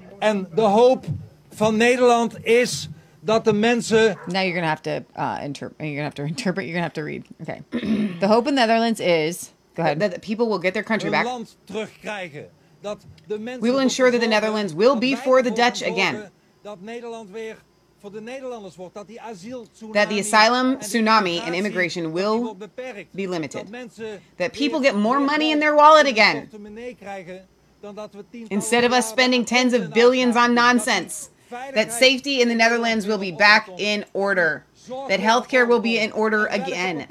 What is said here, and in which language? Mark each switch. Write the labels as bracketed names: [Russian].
[English] And the hope [Dutch] van Nederland is dat de mensen... [English] Now you're going to have to interpret. You're going to have to read. Okay. The hope in the Netherlands is... Go ahead. That people will get their country back. [Dutch] Land terugkrijgen. Dat de mensen [English] we will ensure that the Netherlands will be for the Dutch again. [Dutch] Dat Nederland weer voor de Nederlanders wordt. Dat die asiel tsunami... [English] That the asylum tsunami and immigration will be limited. That people get more money in their wallet again. Instead of us spending tens of billions on nonsense, that safety in the Netherlands will be back in order, that healthcare will be in order again.